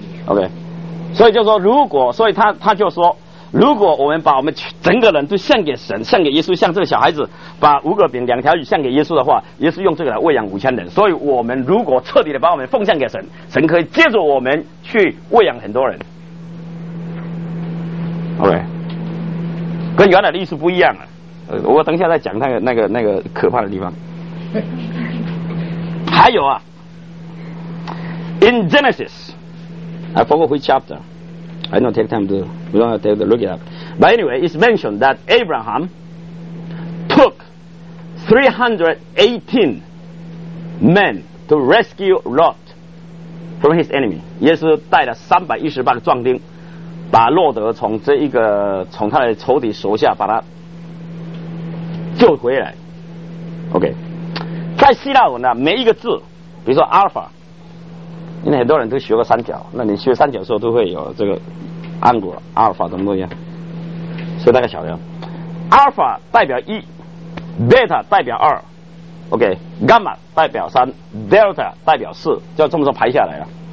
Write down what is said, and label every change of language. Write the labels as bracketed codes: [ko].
[zh] OK， 所以就说，如果，所以他就说，如果我们把我们整个人都献给神，献给耶稣，像这个小孩子把五个饼两条鱼献给耶稣的话，耶稣用这个来喂养5000人。所以我们如果彻底的把我们奉献给神，神可以借助我们去喂养很多人。 OK， 跟原来的意思不一样了。我等一下再讲那个可怕的地方。还有啊， [en] In Genesis， I forgot which chapter，I don't take time to, we don't have to look it up. But anyway, it's mentioned that Abraham took 318 men to rescue Lot from his enemy. [zh] 耶稣带了318个壮丁把洛德从这一个从他的仇敌手下把他救回来。 OK， 在希腊文呢，每一个字，比如说阿尔法，因为很多人都学过三角，那你学三角的时候都会有这个暗谷阿尔法怎么怎么样，所以大家晓得阿尔法代表一，贝塔代表二， OK， 伽马代表三， Delta 代表四，就这么说排下来了。